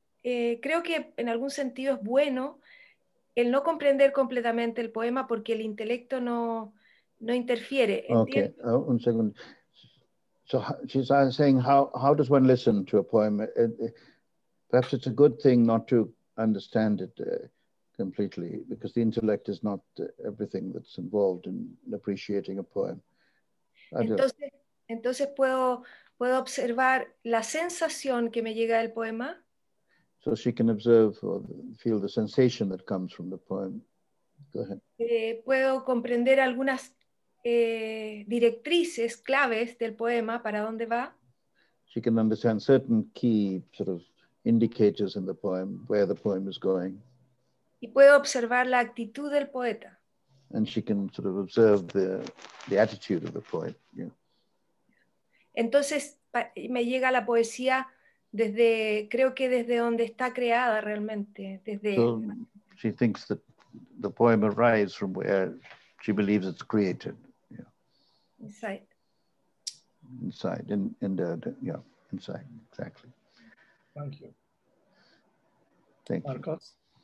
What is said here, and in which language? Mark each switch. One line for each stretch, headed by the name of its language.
Spanish: Creo que en algún sentido es bueno el no comprender completamente el poema porque el intelecto no interfiere. ¿Entiendes? Okay, un segundo.
English: So she's saying how does one listen to a poem? Perhaps it's a good thing not to understand it completely, because the intellect is not everything that's involved in appreciating a poem.
Spanish: Entonces puedo observar la sensación que me llega del poema.
English: So she can observe or feel the sensation that comes from the poem. Go ahead.
Spanish: Puedo comprender algunas directrices, claves del poema, para dónde va.
English: She can understand certain key sort of indicators in the poem, where the poem is going.
Spanish: Y puedo observar la actitud del poeta.
English: And she can sort of observe the attitude of the poet. Yeah.
Spanish: Entonces me llega la poesía desde, creo que desde donde está creada realmente. Desde...
English: So she thinks that the poem arrives from where she believes it's created. Inside, exactly. Thank you. Thank you. Marcos?